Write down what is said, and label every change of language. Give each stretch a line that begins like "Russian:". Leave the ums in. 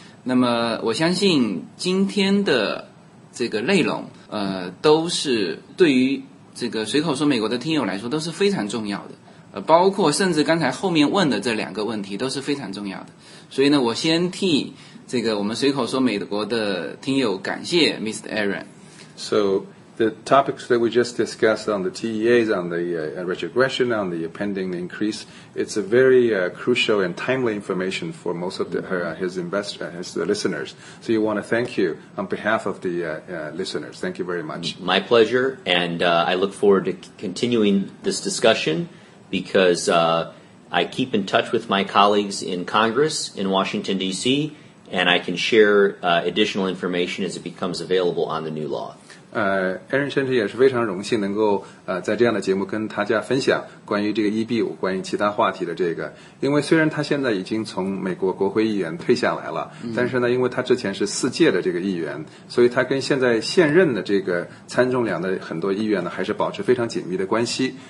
Chinese: 那么我相信今天的。这个内容，呃，都是对于这个随口说美国的听友来说都是非常重要的，呃，包括甚至刚才后面问的这两个问题都是非常重要的，所以呢，我先替这个我们随口说美国的听友感谢 Mr.
English: Aaron。 So. the topics that we just discussed on the TEAs, on the uh, retrogression, on the pending increase, it's a very uh, crucial and timely information for most of the, uh, his invest- his listeners. So you want to thank you on behalf of the listeners. Thank you very much. My pleasure, and I look forward to continuing this discussion because I keep in touch with my colleagues in Congress in Washington, D.C., and I can share additional information as it becomes available on the new law.
Chinese: 呃，艾伦甚至也是非常荣幸能够呃在这样的节目跟大家分享关于这个 E B 五、关于其他话题的这个。因为虽然他现在已经从美国国会议员退下来了、嗯，但是呢，因为他之前是四届的这个议员，所以他跟现在现任的这个参众两的很多议员呢还是保持非常紧密的关系。